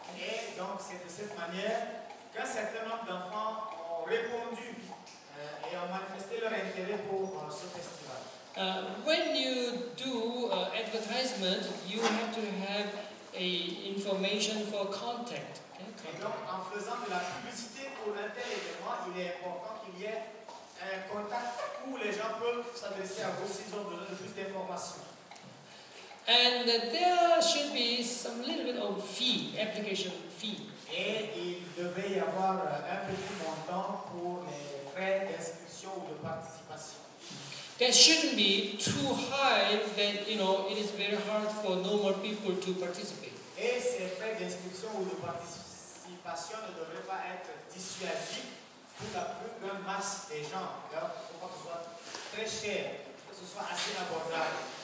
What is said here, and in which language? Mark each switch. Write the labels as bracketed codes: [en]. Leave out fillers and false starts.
[fr] Et donc c'est de cette manière qu'un certain nombre d'enfants ont répondu et ont manifesté leur intérêt pour ce festival. [en] When you do advertisement, you have to have a information for contact. Okay. [fr] Et donc, en faisant de la publicité pour un tel événement, il est important qu'il y ait un contact où les gens peuvent s'adresser à vous s'ils ont besoin de plus d'informations. [en] And there should be some little bit of fee, application fee. [fr] Et il devait y avoir un petit montant pour les frais d'inscription ou de participation. [en] That shouldn't be too high that, you know, it is very hard for normal people to participate. [fr] Et ces frais d'inscription ou de participation ne devraient pas être dissuasifs pour la plus grande masse des gens. Il ne faut pas que ce soit très cher, que ce soit assez abordable.